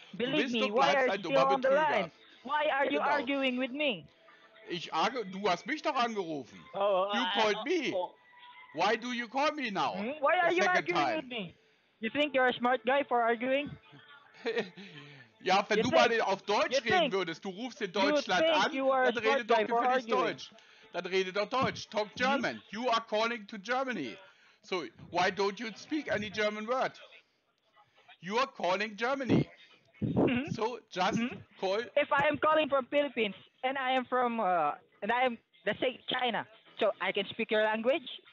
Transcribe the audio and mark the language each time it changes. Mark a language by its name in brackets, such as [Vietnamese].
[English] But if you don't really believe me, why are you still on the line? Why are you arguing with me? [German] Du hast mich doch angerufen. [English] You called me. Why do you call me now? Why are you arguing with me? You think you're a smart guy for arguing? [German] Ja, wenn du mal auf Deutsch reden würdest, du rufst in Deutschland an, dann rede doch gefälligst Deutsch. Dann rede doch Deutsch. [English] Talk German. You are calling to Germany. So, why don't you speak any German word? You are calling Germany. So, just call... If I am calling from Philippines, and I am from, let's say, China, so I can speak your language?